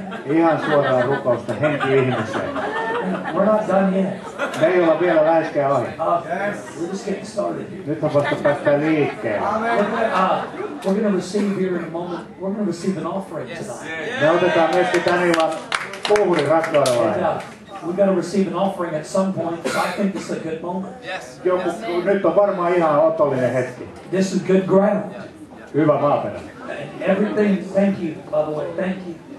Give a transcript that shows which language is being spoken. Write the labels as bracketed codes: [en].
[fi] Ihan suoraan rukousta henki ihmiseen. [en] We're not done yet. [fi] Me ei olla vielä läheskään ohi. [en] We're just getting started. [fi] Nyt on vasta päästä liikkeelle. [en] We're gonna receive here in a moment. We're gonna receive an offering tonight. [fi] Me otetaan myöskin tän illan puhuri rakkaudellaan. [en] We're going to receive an offering at some point. So I think this is a good moment. Yes. [fi] Nyt on varmaan ihan otollinen hetki. [en] This is good ground. [fi] Hyvä maaperä. [en] Everything, thank you, by the way, thank you.